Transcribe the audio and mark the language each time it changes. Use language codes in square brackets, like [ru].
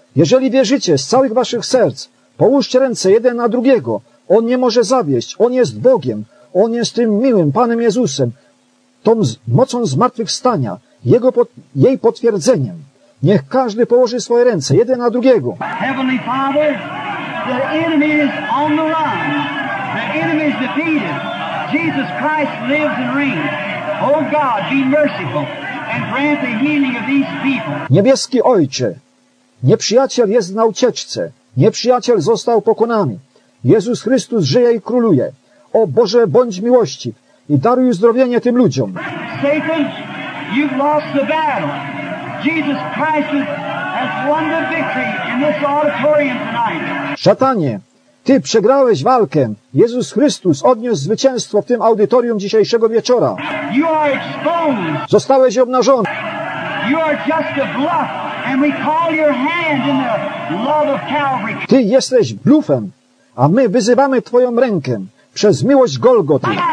[pl] Jeżeli wierzycie z całych waszych serc, połóżcie ręce jeden na drugiego. On nie może zawieść. On jest Bogiem. On jest tym miłym Panem Jezusem, tą mocą zmartwychwstania, jej potwierdzeniem. Niech każdy położy swoje ręce jeden na drugiego. [en] Heavenly Father, the enemy is on the run. The enemy is defeated. Jesus Christ lives and reigns. Oh God, be merciful and grant the healing of these people. [pl] Niebieski Ojcze, nieprzyjaciel jest na ucieczce. Nieprzyjaciel został pokonany. Jezus Chrystus żyje i króluje. O Boże, bądź miłości i daruj uzdrowienie tym ludziom. [en] Satan, you've lost the battle. Jesus Christ has won the victory in this auditorium tonight. [pl] Szatanie, ty przegrałeś walkę. Jezus Chrystus odniósł zwycięstwo w tym audytorium dzisiejszego wieczora. [en] You are exposed. [pl] Zostałeś obnażony. [en] You are just a bluff and we call your hand in the love of Calvary. [pl] Ty jesteś blufem, a my wyzywamy twoją rękę przez miłość Golgoty.